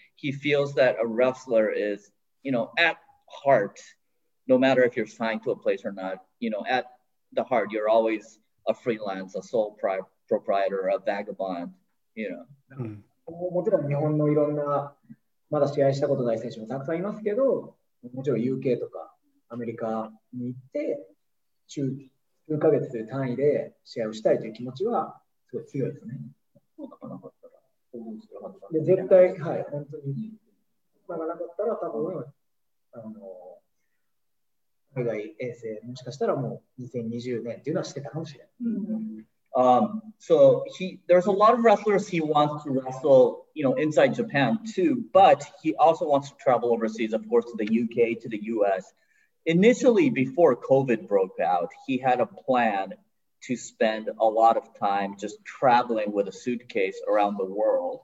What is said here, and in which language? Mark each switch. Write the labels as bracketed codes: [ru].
[en] He feels that a wrestler is, you know, at heart, no matter if you're signed to a place or not, you know, at the heart, you're always a freelance, a sole proprietor, a vagabond, you know. [ja] まだ試合したことない選手もたくさんいますけど、もちろん UK とかアメリカに行って、数ヶ月単位で試合をしたいという気持ちはすごい強いですね。そうだかなかったら、応援するはずだ。絶対、はい、本当に。まあ、なかったら、多分、海外遠征、もしかしたらもう2020年っていうのはしてたかもしれない。うん [en] So he, there's a lot of wrestlers he wants to wrestle, you know, inside Japan too, but he also wants to travel overseas, of course, to the UK, to the US. Initially, before COVID broke out, he had a plan to spend a lot of time just traveling with a suitcase around the world.